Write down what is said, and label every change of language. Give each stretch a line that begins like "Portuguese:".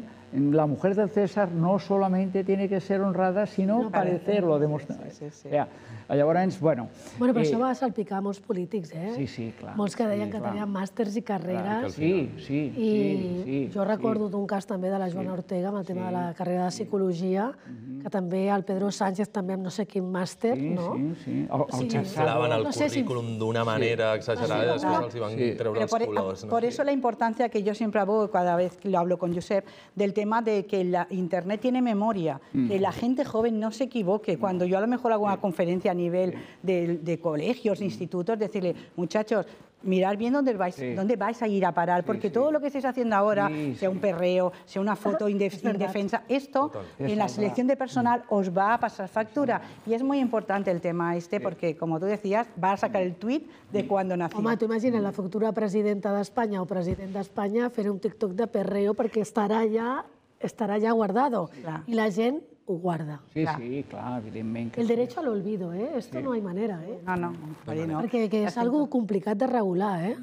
Spanish: La mujer del César no solamente tiene que ser honrada, sino parecerlo, demostrar.
Catalan: Llavors, bueno... Bueno, però això va salpicar molts polítics, eh? Sí, sí, clar. Molts que deien que tenien màsters i carreres. Sí. I jo recordo d'un cas també de la Joana Ortega amb el tema de la carrera de psicologia, que també el Pedro Sánchez també amb no sé quin màster, no? Sí. Clavaven el currículum d'una manera exagerada i després els van treure els colors.
Spanish: Por eso la importancia que yo siempre abogo cada vez que lo hablo con Josep del tema de que la internet tiene memoria, que la gente joven no se equivoque. Cuando yo a lo mejor hago una conferencia a nivel de colegios, institutos, decirle, muchachos, mirar bien dónde vais, sí, dónde vais a ir a parar, porque sí, sí, todo lo que estáis haciendo ahora, sí, sea sí, un perreo, sea una foto indefensa, esto en la selección de personal os va a pasar factura. Y es muy importante el tema este, porque, como tú decías, va a sacar el tuit de cuando nací.
Catalan: Home, tu imagina't la futura presidenta d'Espanya o president d'Espanya fer un TikTok de perreo perquè estarà ja guardado. I la gent ho guarda. Sí, sí, clar, evidentment. El dret a l'olvido,
Spanish: eh? Esto no hay manera, eh? No, no.
Catalan: Perquè és algo complicat de regular, eh?